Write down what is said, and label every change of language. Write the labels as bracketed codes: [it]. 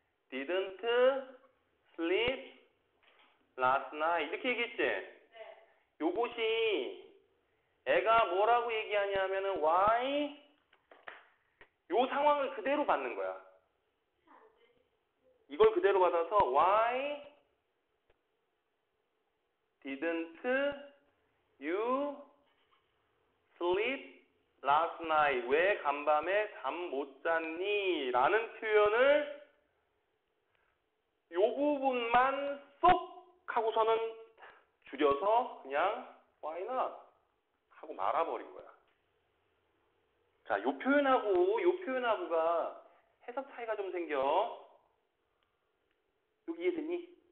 [en] Didn't sleep last night. [ko] 이렇게 얘기했지? 요것이 애가 뭐라고 얘기하냐면은 why? 요 상황을 그대로 받는 거야. 이걸 그대로 받아서 [en] why didn't you sleep last night? [ko] 왜 간밤에 잠못 잤니? 라는 표현을 요 부분만 쏙 하고서는 줄여서 그냥 why not 하고 말아버린 거야. 자, 요 표현하고가 해석 차이가 좀 생겨. 여기 이해됐니?